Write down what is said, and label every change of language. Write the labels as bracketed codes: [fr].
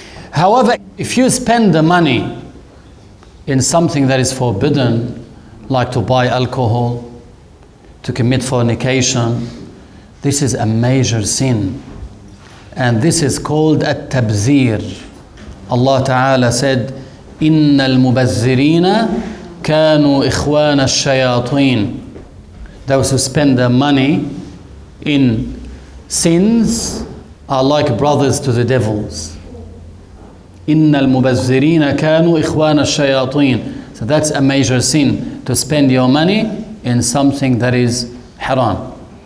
[en] However, if you spend the money in something that is forbidden, like to buy alcohol, to commit fornication, this is a major sin. And this is called at-tabzir. Allah Ta'ala said, [ar] إِنَّ الْمُبَذِّرِينَ كَانُوا إِخْوَانَ الشَّيَاطِينَ. [en] Those who spend their money in sins are like brothers to the devils. [ar] إِنَّ الْمُبَذِّرِينَ كَانُوا إِخْوَانَ الشَّيَاطِينَ. [en] So that's a major sin, to spend your money in something that is haram.